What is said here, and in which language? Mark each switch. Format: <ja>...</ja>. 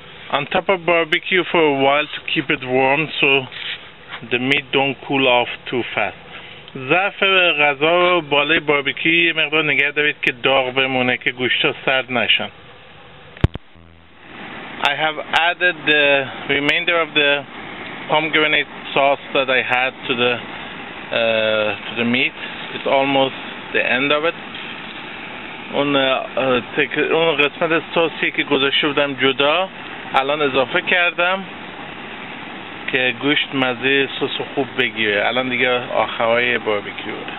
<en>on top of barbecue for a while to keep it warm so the meat don't cool off too fast.</en> <fa>ظرف غذا رو بالای باربیکیو یه مقدار نگه دارید که داغ بمونه که گوشت‌ها سرد نشن.</fa> <en>I have added the remainder of the pomegranate sauce that I had to the meat. It's almost the end of it.</en> <fa>اون قسمت سوسی که گذاشته بودم جدا الان اضافه کردم که گوشت مزه سس خوب بگیره. الان دیگه آخرهای باربیکیو.</fa>